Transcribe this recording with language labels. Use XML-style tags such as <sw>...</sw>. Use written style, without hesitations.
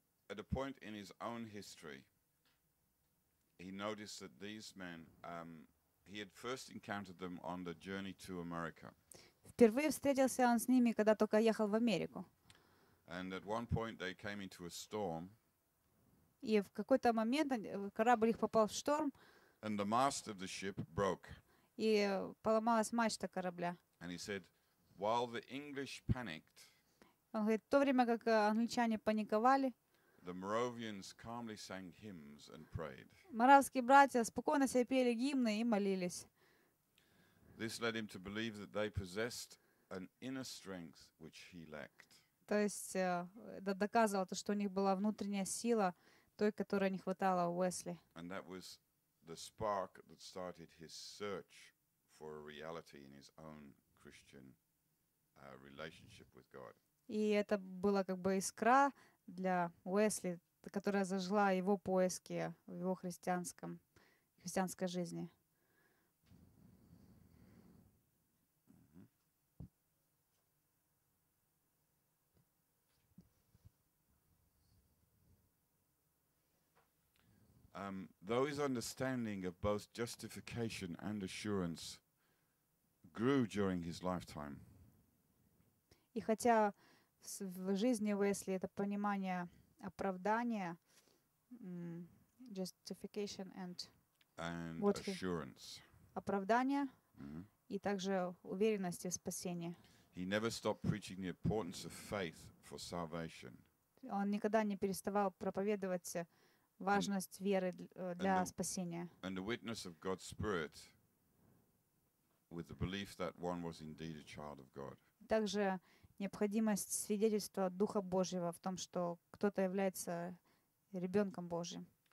<en>At a point in his own history, he noticed that these men, he had first encountered them on the journey to America.</en> <ru>Впервые встретился он с ними, когда только ехал в Америку.</ru> <en>And at one point they came into a storm.</en> <ru>И в какой-то момент корабль их попал в шторм.</ru> <en>And the mast of the ship broke.</en> <ru>И поломалась мачта корабля.</ru> <en>And he said, while the English panicked,</en> <ru>он говорит, в то время как англичане паниковали,</ru> <en>the Moravians calmly sang hymns and prayed.</en> <ru>Моравские братья спокойно себе пели гимны и молились.</ru> <en>This led him to believe that they possessed an inner strength which he lacked.</en> <ru>То есть это доказывало то, что у них была внутренняя сила, той, которой не хватало у Уэсли.</ru> <en>And that was the spark that started his search for a reality in his own Christian relationship with God.</en> <ru>И это была как бы искра для Уэсли, которая зажгла его поиски в его христианской жизни.</ru> <en>Though his understanding of both justification and assurance grew during his lifetime.</en> <ru>И хотя в жизни Уэсли это понимание оправдания,</ru> <en>justification and what assurance.</en> <ru>Оправдание и также уверенности в спасении.</ru> <en>He never stopped preaching the importance of faith for salvation.</en> <ru>Он никогда не переставал проповедовать важность веры для спасения.</ru> <en>And the witness of God's Spirit with the belief that one was indeed a child of God.</en> <ru>Также необходимость свидетельства Духа Божьего в том, что кто-то является ребенком Божьим.</ru>